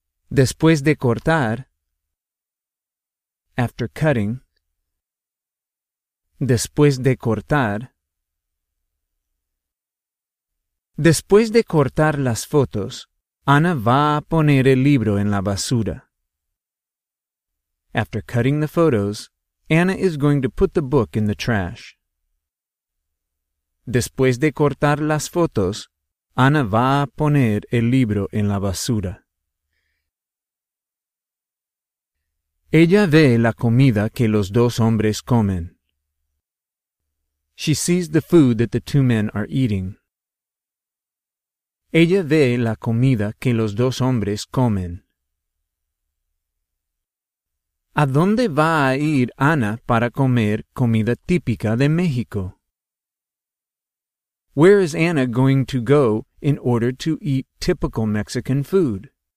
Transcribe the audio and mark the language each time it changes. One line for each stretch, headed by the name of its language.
Spanish: Después de cortar,
English: after cutting,
Spanish: después de cortar, después de cortar las fotos, Ana va a poner el libro en la basura.
English: After cutting the photos, Ana is going to put the book in the trash.
Spanish: Después de cortar las fotos, Ana va a poner el libro en la basura. Ella ve la comida que los dos hombres comen.
English: She sees the food that the two men are eating.
Spanish: Ella ve la comida que los dos hombres comen. ¿A dónde va a ir Ana para comer comida típica de México?
English: Where is Anna going to go in order to eat typical Mexican food?